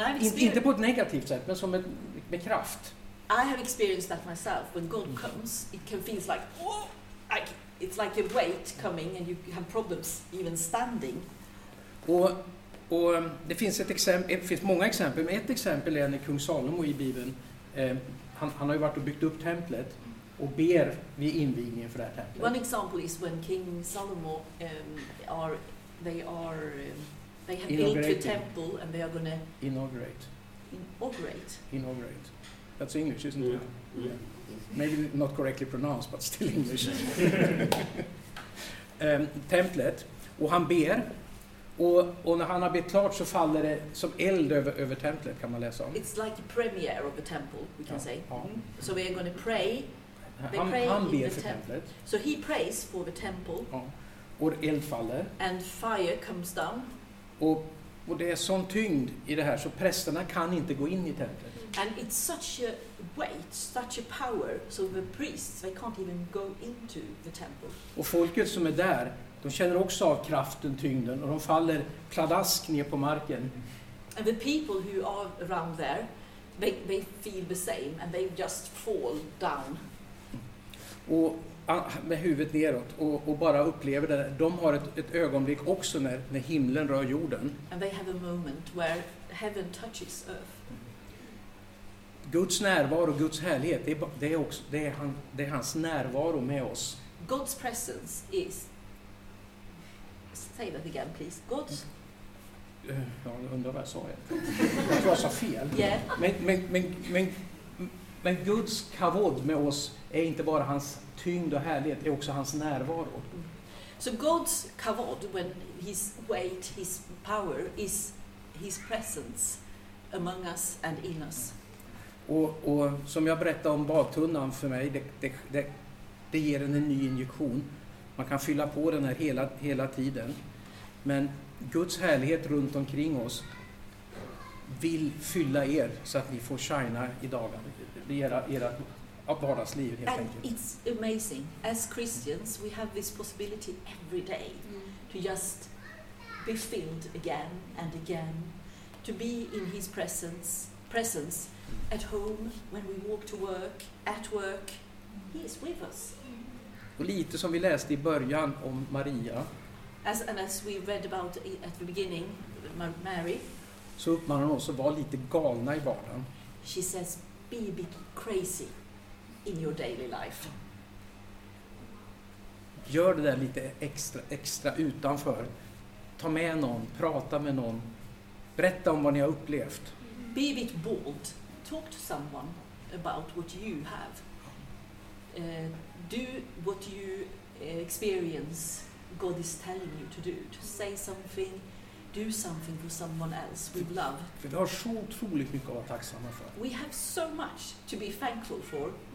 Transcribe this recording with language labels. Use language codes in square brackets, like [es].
[sv] Inte på ett negativt sätt, men som med kraft. [en] I have experienced that myself. When God comes, it can feel like, it's like a weight coming, and you have problems even standing. [sv] Och det finns många exempel, men ett exempel är när kung Salomo i Bibeln, han har ju varit och byggt upp templet. och ber vid invigningen för det här templet. [en] One example is when King Salomo they have built a temple and they are going to inaugurate. That's English, isn't it? Yeah. Maybe not correctly pronounced, but still English. [sv] templet, och han ber, och när han har bett klart så faller det som eld över templet, kan man läsa om. [en] It's like the premiere of the temple, we can say. So we are going to pray. [sv] Han ber för templet. [en] So he prays for the temple. [sv] Ja. Och eld faller. [en] And fire comes down. [sv] Och det är sån tyngd i det här så prästerna kan inte gå in i templet. [en] And it's such a weight, such a power, so the priests, they can't even go into the temple. [sv] Och folket som är där, de känner också av kraften, tyngden, och de faller kladask ner på marken. [en] And the people who are around there, they feel the same, and they just fall down. [sv] Och med huvudet neråt och bara upplever det. De har ett ögonblick också när himlen rör jorden. [en] And they have a moment where heaven touches earth. [sv] Guds närvaro och Guds härlighet, det är hans närvaro med oss. [en] God's presence is, say that again please, God's. [sv] Jag undrar vad jag sa. Jag tror jag sa fel. [en] Yeah. [sv] Men Guds kavod med oss är inte bara hans tyngd och härlighet, det är också hans närvaro. [en] So God's kavod, when his weight, his power, is his presence among us and in us. [sv] Och som jag berättade om badtunnan för mig, det ger en ny injektion. Man kan fylla på den här hela tiden. Men Guds härlighet runt omkring oss vill fylla er så att ni får shina i dagen. Det är era vardagsliv helt [en] and [sv] enkelt. [en] It's amazing. As Christians we have this possibility every day to just be filled again and again. To be in his presence. At home, when we walk to work, at work, he is with us. [sv] Och lite som vi läste i början om Maria. [en] As we read about at the beginning, Mary. [sv] Så uppmanar hon oss att vara lite galna i vardagen. [en] She says, be a bit crazy in your daily life. [sv] Gör det där lite extra utanför. Ta med någon, prata med någon. Berätta om vad ni har upplevt. [en] Be a bit bold. Talk to someone about what you have. Do what you experience God is telling you to do. To say something, do something for someone else with love. [sv] För vi har så otroligt mycket att vara tacksamma för. [en] We have so much to be thankful for.